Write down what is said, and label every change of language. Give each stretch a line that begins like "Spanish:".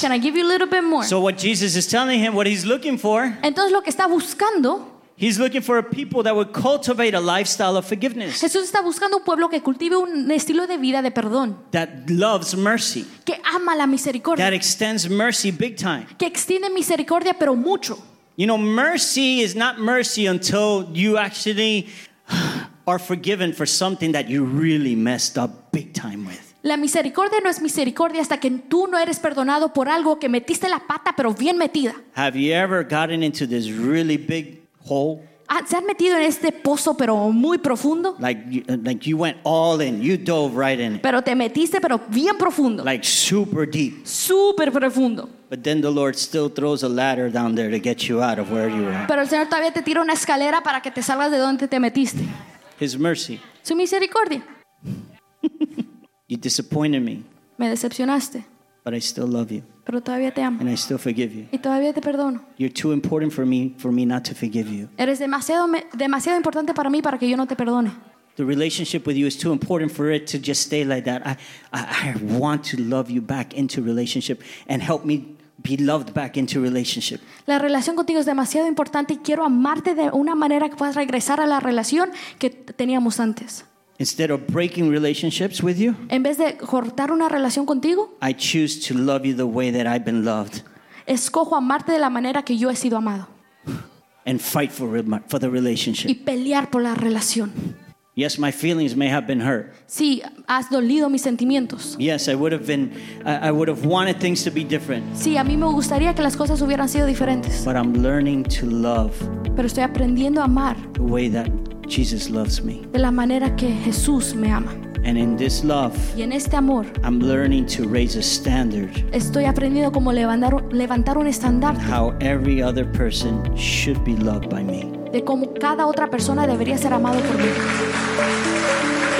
English: Can I give you a little bit more? So what Jesus is telling him, what he's looking for.
Spanish: Entonces lo que está buscando.
English: He's looking for a people that would cultivate a lifestyle of forgiveness.
Spanish: Jesús está buscando un pueblo que cultive un estilo de vida de perdón.
English: That loves mercy.
Spanish: Que ama la misericordia.
English: That extends mercy big time.
Spanish: Que extiende misericordia pero mucho.
English: You know, mercy is not mercy until you actually are forgiven for something that you really messed up big time with.
Spanish: La misericordia no es misericordia hasta que tú no eres perdonado por algo que metiste la pata pero bien metida.
English: Have you ever gotten into this really big hole?
Spanish: ¿Se han metido en este pozo pero muy profundo?
English: Like you went all in, you dove right in.
Spanish: Pero te metiste pero bien profundo.
English: Like super deep.
Spanish: Super profundo.
English: But then the Lord still throws a ladder down there to get you out of where you are.
Spanish: Pero el Señor todavía te tira una escalera para que te salgas de donde te metiste.
English: His mercy.
Spanish: Su misericordia.
English: You disappointed me.
Spanish: Me decepcionaste.
English: But I still love you.
Spanish: Pero todavía te amo.
English: And I still forgive you.
Spanish: Y todavía te perdono.
English: You're too important for me not to forgive you.
Spanish: Eres demasiado importante para mí para que yo no te perdone.
English: The relationship with you is too important for it to just stay like that. I want to love you back into relationship and help me be loved back into relationship.
Spanish: La relación contigo es demasiado importante y quiero amarte de una manera que puedas regresar a la relación que teníamos antes.
English: Instead of breaking relationships with you,
Spanish: en vez de cortar una relación contigo,
English: I choose to love you the way that I've been loved.
Spanish: Escojo amarte de la manera que yo he sido amado.
English: And fight for the relationship.
Spanish: Y pelear por la relación.
English: Yes, my feelings may have been hurt.
Spanish: Sí, has dolido mis sentimientos.
English: Yes, I would have wanted things to be different.
Spanish: Sí, a mí me gustaría que las cosas hubieran sido diferentes.
English: But I'm learning to love.
Spanish: Pero estoy aprendiendo a amar.
English: The way that Jesus loves me.
Spanish: De la manera que Jesús me ama.
English: And in this love,
Spanish: y en este amor,
English: I'm learning to raise a standard.
Spanish: Estoy aprendiendo cómo levantar un estandarte.
English: How every other person should be loved by me.
Spanish: De cómo cada otra persona debería ser amado por mí.